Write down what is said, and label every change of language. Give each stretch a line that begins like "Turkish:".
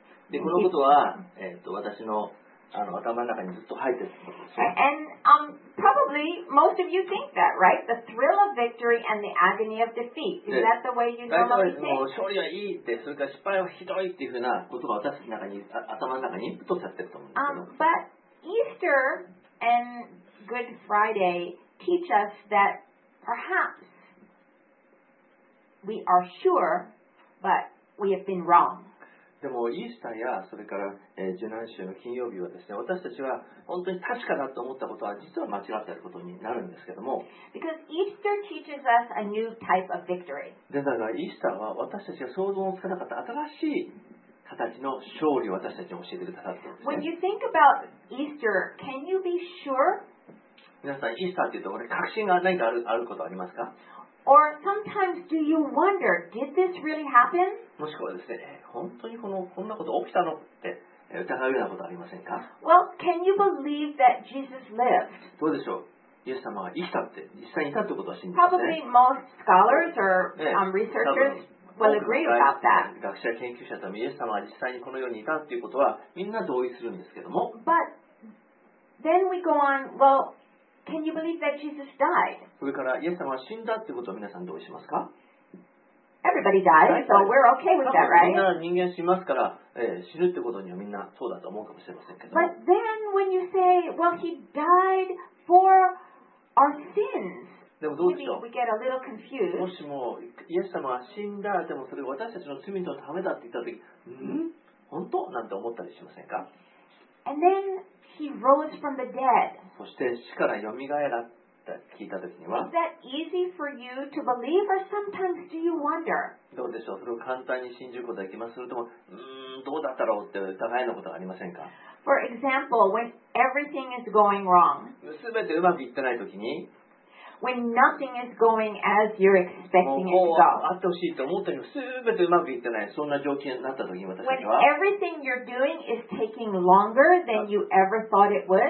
Japanese: でこのことは、私 の, あの頭の中にずっと入ってるんです。
English: And probably most of you think that, right? The thrill of victory and the agony of defeat. Is that the way you normally think?
Japanese: 勝利はいいって、それから失敗はひどいっていうふうなことが私の中に頭の中にインプットされてると思うんですけど。
English: But Easter and Good Friday teach us that perhaps we are sure, but we have been wrong.
Japanese: でもイースターやそれから受難週の金曜日はですね、私たちは本当に確かだと思ったことは実は間違っていることになるんですけども。
English: Because Easter teaches us a new type of victory.
Japanese: でだからイースターは私たちが想像もつかなかった新しい形の勝利を私たちに教えてくださったんですね。
English: When you think about Easter, can you be sure?
Japanese: 皆さんイースターというと確信が何かあることありますか？
English: Or sometimes do you wonder, did this really happen?
Japanese: もしくはですね、本当にこんなこと起きたのって疑うようなことありませんか？
English: Well, can you believe that Jesus lived?
Japanese: どうでしょう、イエス様が生きたって、実際にいたってことは信じますね。
English: Probably most scholars or researchers will agree about that.
Japanese: 学者研究者ともイエス様が実際にこの世にいたっていうことはみんな同意するんですけども。
English: But then we go on, well,Can you believe that Jesus died?
Japanese: それからイエス様は死んだってことを皆さんどうしますか？
English: Everybody dies, so we're okay with that, right?
Japanese: みんな人間死ますから、死ぬってことにはみんなそうだと思うかもしれませんけど。
English: But then when you say, well, he died for our sins,
Japanese: でもどうでしょう？
English: We get a little confused.
Japanese: もしもイエス様は死んだ、でもそれが私たちの罪のためだって言ったとき、本当？なんて思ったりしませんか？
English: And then he rose from the dead.
Japanese: そして死からよみがえられたと聞いたときには、
English: Is that easy for you to believe, or sometimes do you wonder?
Japanese: どうでしょう、それを簡単に信じることができます。それとも、どうだったろうって疑いのことがありませんか？
English: For example, when everything is going wrong.
Japanese: 全てうまくいってないときに、
English: When nothing is going as you're expecting it to go.
Japanese: もうあってほしいと思ったのに、全てうまくいってない。そんな状況になったときに私たちは。
English: When everything you're doing is taking longer than you ever thought it would.